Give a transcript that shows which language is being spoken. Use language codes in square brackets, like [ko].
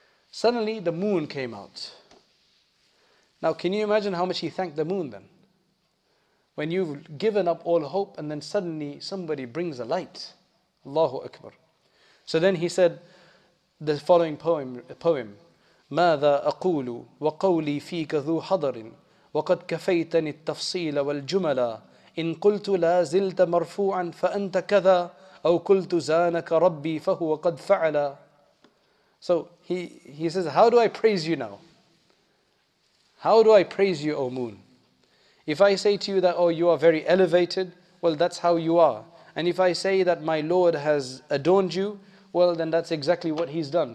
[en] Suddenly the moon came out. Now can you imagine how much he thanked the moon then? When you've given up all hope and then suddenly somebody brings a light. Allahu Akbar. So then he said the following poem. [ar] ماذا أقول وقولي فيك ذو حضر وقد كفيتني التفصيل والجملة إن قلت لا زلت مرفوعا فأنت كذا أو قلت زانك ربي فهو قد فعل. [en] So he says, how do I praise you now? How do I praise you, O moon? If I say to you that, oh, you are very elevated, well, that's how you are. And if I say that my Lord has adorned you, well, then that's exactly what he's done.